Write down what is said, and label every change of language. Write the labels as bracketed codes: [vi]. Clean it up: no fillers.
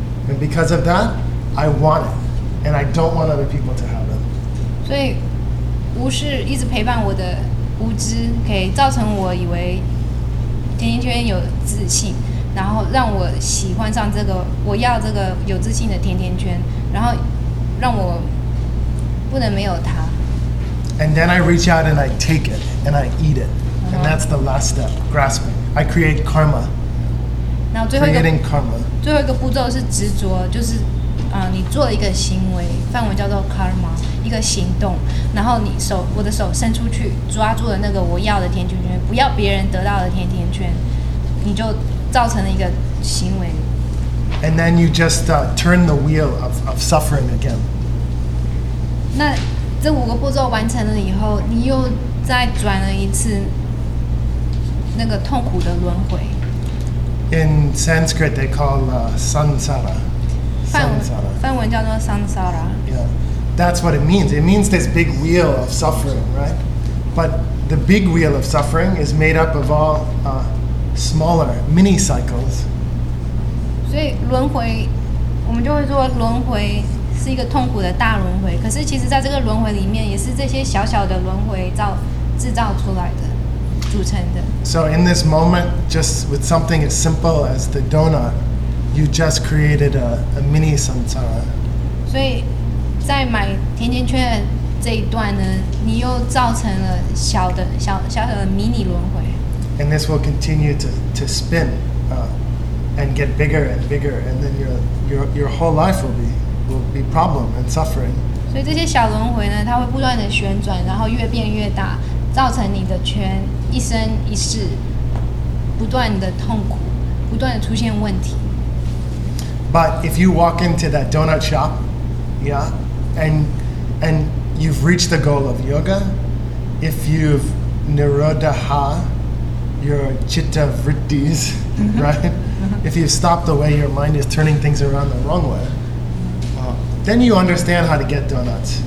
[en] And because of that, I want it, and I don't want other people to have it. [zh] 所以，无视一直陪伴我的无知，可以造成我以为甜甜圈有自信，然后让我喜欢上这个，我要这个有自信的甜甜圈。然后让我不能没有它。 [en] And then I reach out and I take it and I eat it,、uh-huh. and that's the last step, grasping. I create karma. [zh] 然后最后一个 [en] creating karma. [zh] 最后一个步骤是执着，就是、你做了一个行为，范围叫做 karma, 一个行动。然后你手，我的手伸出去抓住了那个我要的甜甜圈，不要别人得到的甜甜圈，你就造成了一个行为。 [en] And then you just、turn the wheel of suffering again. [zh] 那这五个步骤完成了以后，你又再转了一次那个痛苦的轮回。 [en] In Sanskrit, they call、samsara. [zh] 梵文叫做 samsara. [en] Yeah, that's what it means. It means this big wheel of suffering, right? But the big wheel of suffering is made up of all、smaller mini cycles. [zh] 所以轮回，我们就会说轮回是一个痛苦的大轮回。可是其实，在这个轮回里面，也是这些小小的轮回制造出来的，组成的。 [en] So in this moment, just with something as simple as the donut, you just created a mini samsara. [zh] 所以在买甜甜圈的这一段呢，你又造成了小小的迷你轮回。 [en] And this will continue to spin. And get bigger and bigger, and then your whole life will be problem and suffering. [zh] 所以这些小轮回呢，它会不断的旋转，然后越变越大，造成你的圈一生一世不断的痛苦，不断的出现问题。 [en] But if you walk into that donut shop, yeah, and you've reached the goal of yoga, if you've nirodha your chitta vrittis, right? If you stop the way your mind is turning things around the wrong way, then you understand how to get donuts.